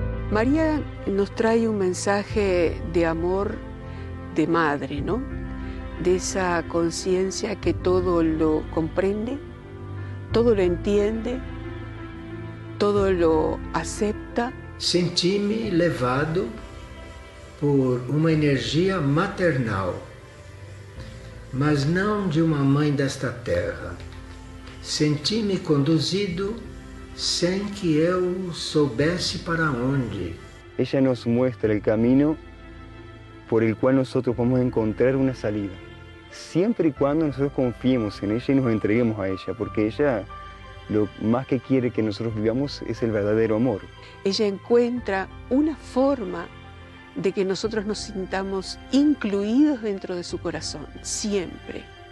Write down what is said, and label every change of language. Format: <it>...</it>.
<es>María nos trae un mensaje de amor de madre, ¿no? De esa conciencia que todo lo comprende, todo lo entiende, todo lo acepta.</es> <pt>Senti-me levado</pt> <es>por una energía</es> <pt>maternal, mas</pt> <es>no de una</es> <pt>mãe desta terra. Senti-me conduzido sem que eu soubesse para onde.</pt> <es>Ella nos muestra el camino por el cual nosotros podemos encontrar una salida, siempre y cuando nosotros confiemos en ella y nos entreguemos a ella, porque ella lo más que quiere que nosotros vivamos es el verdadero amor. Ella encuentra una forma de que nosotros nos sintamos incluidos dentro de su corazón, siempre.</es>